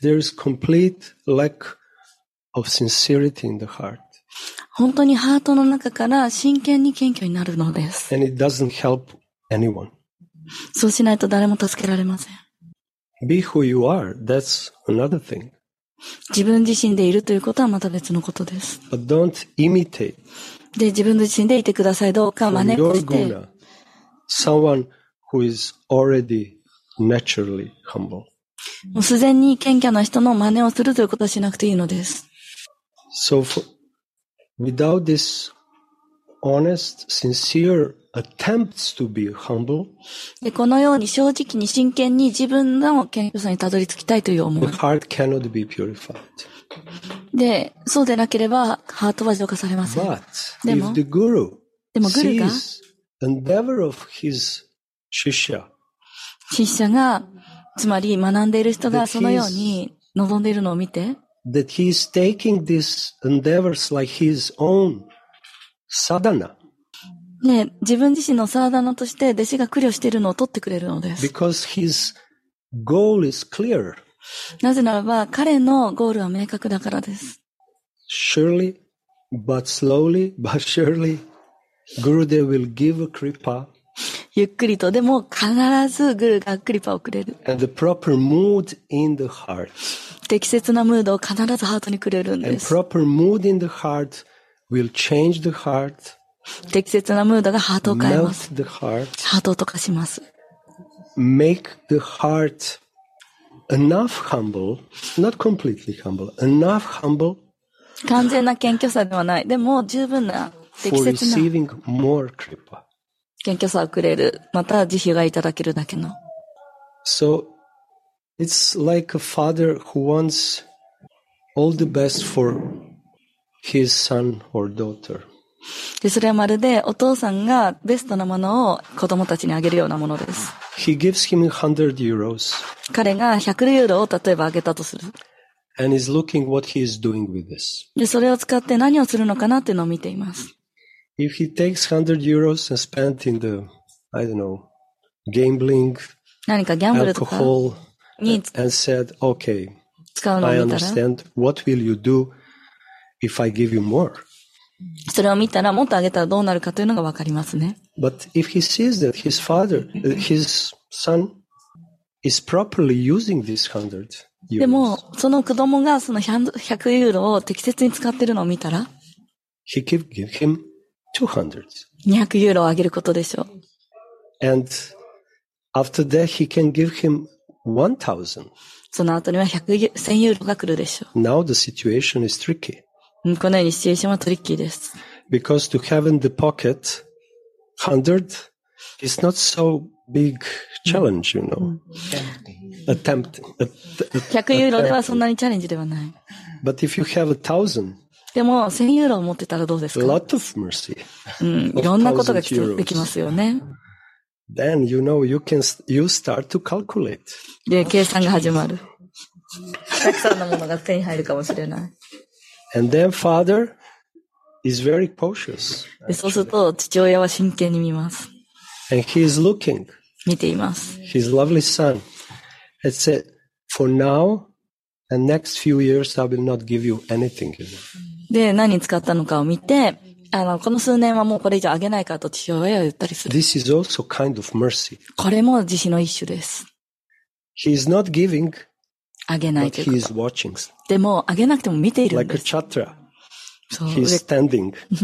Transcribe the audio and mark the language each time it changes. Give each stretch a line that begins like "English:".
English: There is complete lack of sincerity in the heart.
Japanese: 本当にハートの中から真剣に謙虚になるのです。
English: And it doesn't help anyone.
Japanese: そうしないと誰も助けられません。
English: Be who you are, that's another thing.
Japanese: 自分自身でいるということはまた別のことです。
English: But don't imitate.
Japanese: で、自分自身でいてください。どうか真似をして。
English: Someone who is already naturally humble.
Japanese: もう自然に謙虚な人の真似をするということはしなくていいのです。
English: So, without this honest, sincere attempts to be humble.
Japanese: で、このように正直に真剣に自分の謙虚さにたどり着きたいという思い。
English: The heart cannot be purified.
Japanese: で、そうでなければハートは浄化されません。
English: But if the guru sees the endeavor of his shishya,
Japanese: 師匠が、つまり学んでいる人がそのように望んでいるのを見て、
English: that he is taking these endeavors like his own sadhana.
Japanese: ね、自分自身のサーダナとして弟子が苦慮しているのを取ってくれるのです。
English: Because his goal is clear.
Japanese: なぜならば彼のゴールは明確だからです。
English: Surely, but slowly, but surely, Gurudev will give a kripa.
Japanese: ゆっくりとでも必ずグルがクリパをくれる。
English: And the proper mood in the heart.
Japanese: 適切なムードを必ずハートにくれるんです。
English: And proper mood in the heart will change the heart.
Japanese: 適切なムードがハートを変えます。
English: Melt the heart.
Japanese: ハートを溶かします。
English: Make the heart enough humble, not completely humble, enough humble.
Japanese: 完全な謙虚さではない。でも十分な適切な。
English: For receiving more kripa.
Japanese: 謙虚さをくれる、また慈悲がいただけるだけの。
English: So, it's like a father who wants all the best for his son or daughter.
Japanese: で、それはまるでお父さんがベストなものを子供たちにあげるようなものです。
English: He gives him 100 euros.
Japanese: 彼が100ユーロを例えばあげたとする。
English: And is looking what he is doing with this.
Japanese: で、それを使って何をするのかなっていうのを見ています。
English: If he takes 100 euros and spent in the, I don't know, gambling, alcohol, and said, okay, I understand, what will you do if I give you more?
Japanese: それを見たらもっとあげたらどうなるかというのがわかりますね。
English: But if he sees that his father, his son is properly using this 100 euros,
Japanese: でもその子供がその100ユーロを適切に使ってるのを見たら、
English: he can give him 200 euros.
Japanese: 200 euros あげることでしょう。
English: And after that, he can give him 1,000.
Japanese: その後には100,000 euros が来るでしょう。
English: Now the situation is tricky.
Japanese: このようにシチュエーションはトリッキーです。
English: Because to have in the pocket 100 is not so big challenge, you know. Attempt.
Japanese: 100 euros ではそんなにチャレンジではない。
English: But if you have 1,000,
Japanese: でも1000ユーロを持ってたらどうですか？
English: Lot of mercy.
Japanese: いろんなことができますよね。
English: Then you know you can you start to calculate.
Japanese: で計算が始まる。たくさんのものが手に入るかもしれない。
English: And then father is very cautious.
Japanese: そうすると父親は真剣に見ます。
English: And he is looking.
Japanese: 見ています。
English: His lovely son. I said, for now. And next few years, I will not give you anything.
Japanese: で、何使ったのかを見て、この数年はもうこれ以上あげないかと父親は言ったりする。
English: This is also kind of mercy.
Japanese: これも慈悲の一種です。
English: He is not giving.
Japanese: あげない
English: けど。But he is watching.
Japanese: でも、あげなくても見ているんです。
English: Like a chatra. He is standing.